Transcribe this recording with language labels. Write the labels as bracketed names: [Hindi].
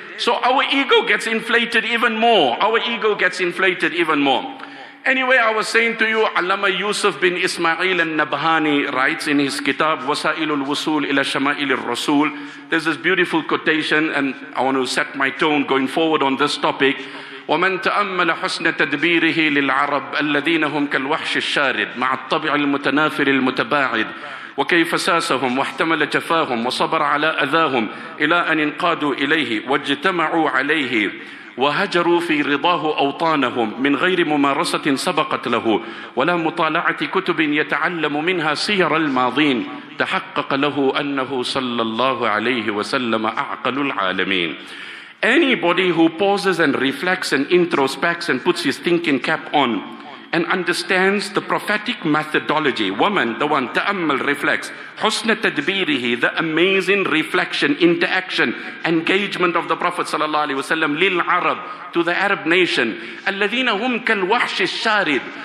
[English] So our ego gets inflated even more. Our ego gets inflated even more. Anyway, I was saying to you, Allama Yusuf bin Ismail al-Nabhani writes in his kitab, Wasa'il al-Wusul ila Shama'il al-Rasul. There's this beautiful quotation, and I want to set my tone going forward on this topic. [Arabic] وَمَنْ تَأَمَّلَ حُسْنَ تَدْبِيرِهِ لِلْعَرَبِ أَلَّذِينَ هُمْ كَالْوَحْشِ الشَّارِدِ مَعَ الطَّبِعِ الْمُتَنَافِرِ الْمُتَبَاعِدِ وكيف ساسهم واحتمل جفاهم وصبر على أذاهم إلى أن انقادوا إليه واجتمعوا عليه وهجروا في رضاه أوطانهم من غير ممارسة سبقت له ولا مطالعة كتب يتعلم منها سير الماضين تحقق له أنه صلى الله عليه وسلم أعقل العالمين. [English] Anybody who pauses and reflects and introspects and puts his thinking cap on and understands the prophetic methodology, woman, the one, ta'ammal, reflects, husna tadbirihi, the amazing reflection, interaction, engagement of the Prophet sallallahu alaihi wasallam lil arab, to the Arab nation, [Arabic] alladhina hum kal wahshi sharid,